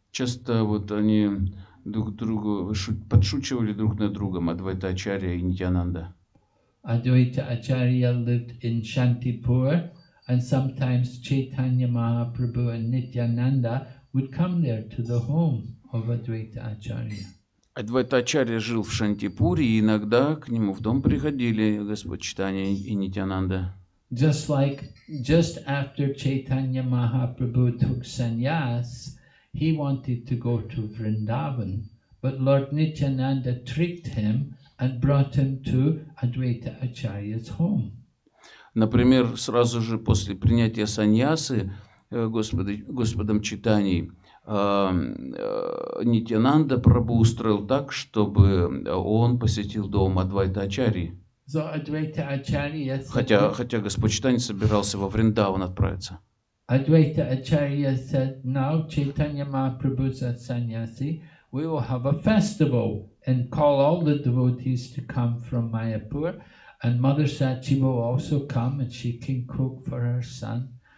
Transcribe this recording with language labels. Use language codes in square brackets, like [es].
[ru] Часто вот они друг другу подшучивали друг над другом, Адвайта Ачарья и Нитьянанда. [en] Advaita Acharya lived in Shantipur, and sometimes Chaitanya Mahaprabhu and Nityananda would come there to the home of Advaita Acharya. [ru] Адвайта Ачарья жил в Шантипуре, и иногда к нему в дом приходили Господь Чайтанья и Нитьянанда. [en] Just after Chaitanya Mahaprabhu took sannyas, he wanted to go to Vrindavan, but Lord Nityananda tricked him and brought him to Advaita Acharya's home. [ru] Например, сразу же после принятия саньясы Господом Чайтаньей, Нитьянанда Прабху устроил так, чтобы он посетил дом Адвайта Ачарьи. [en] So Advaita Acharya, [ru] хотя Господь Чайтанья собирался во Вриндаван отправиться. [en] Advaita Acharya said, now Chaitanya Mahaprabhu is a sannyasi, we will have a festival and call all the devotees to come from Mayapur, and Mother Sachi will also come and she can cook for her son.